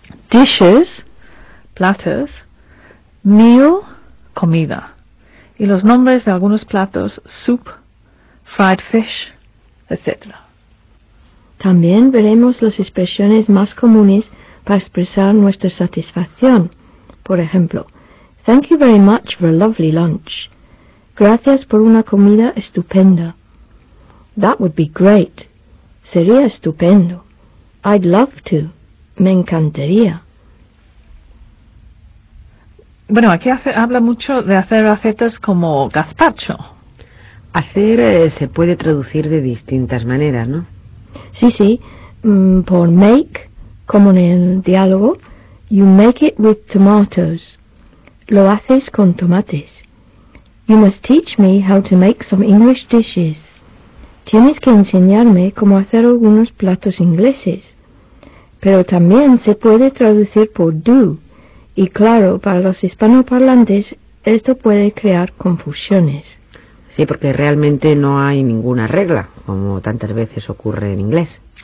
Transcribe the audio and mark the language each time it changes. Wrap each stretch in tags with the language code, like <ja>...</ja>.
<es>Dishes, platos. Meal, comida. Y los nombres de algunos platos, soup, fried fish, etc. También veremos las expresiones más comunes para expresar nuestra satisfacción. Por ejemplo,</es> <en>thank you very much for a lovely lunch.</en> <es>Gracias por una comida estupenda.</es> <en>That would be great.</en> <es>Sería estupendo.</es> <en>I'd love to.</en> <es>Me encantaría. Bueno, aquí habla mucho de hacer recetas como gazpacho. Hacer se puede traducir de distintas maneras, ¿no? Sí, sí. Por make, como en el diálogo,</es> <en>you make it with tomatoes.</en> <es>Lo haces con tomates.</es> <en>You must teach me how to make some English dishes.</en> <es>Tienes que enseñarme cómo hacer algunos platos ingleses. Pero también se puede traducir por do. Y claro, para los hispanoparlantes, esto puede crear confusiones. Sí, porque realmente no hay ninguna regla, como tantas veces ocurre en inglés.</es>